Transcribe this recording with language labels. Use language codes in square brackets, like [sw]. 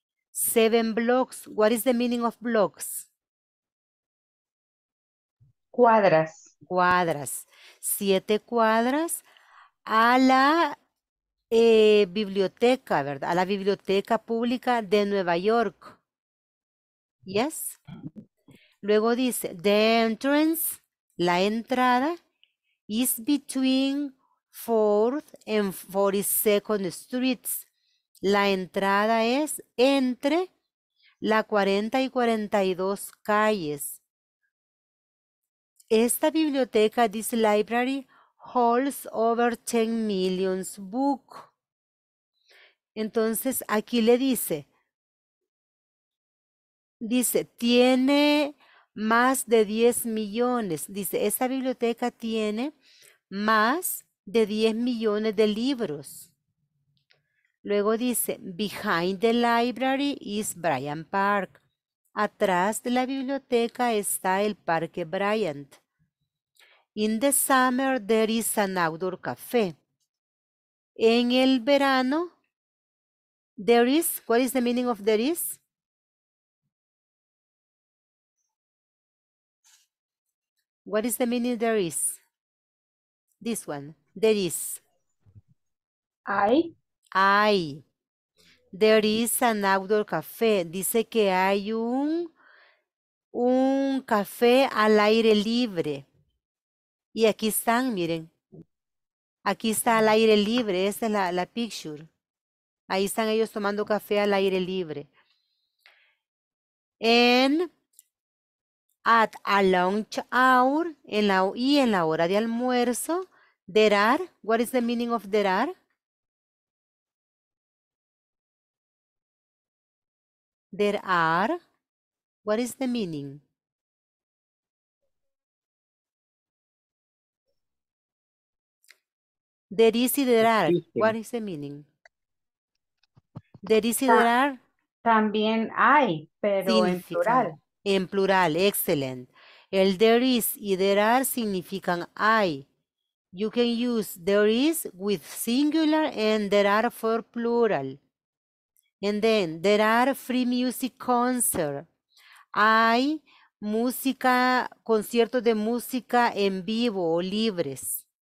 [en] 7 blocks, what is the meaning of blocks? [es] Cuadras. Cuadras, 7 cuadras a la biblioteca, ¿verdad? A la biblioteca pública de Nueva York. [en] Yes. [es] Luego dice, [en] the entrance, [es] la entrada, [en] is between 4th and 42nd streets. [es] La entrada es entre la 40 y 42 calles. Esta biblioteca, [en] this library, holds over 10 million books. [es] Entonces, aquí le dice, tiene más de 10 millones. Dice, esta biblioteca tiene más de 10 millones de libros. Luego dice, [en] behind the library is Bryant Park. [es] Atrás de la biblioteca está el Parque Bryant. [en] In the summer, there is an outdoor cafe. [es] En el verano, [en] there is, what is the meaning of there is? What is the meaning there is? This one, there is. I. There is an outdoor cafe. [es] Dice que hay un café al aire libre. Y aquí están, miren. Aquí está al aire libre. Esta es la picture. Ahí están ellos tomando café al aire libre. [en] At a lunch hour, [es] en la hora de almuerzo, [en] there are, what is the meaning of there are? There are, what is the meaning? There is y there are, what is the meaning? There is y there are. [es] También hay, pero en plural. En plural, excellent. [en] El there is y there are [es] significan [en] I. You can use there is with singular and there are for plural. And then, there are free music concert. [es] Hay música, conciertos de música en vivo o libres.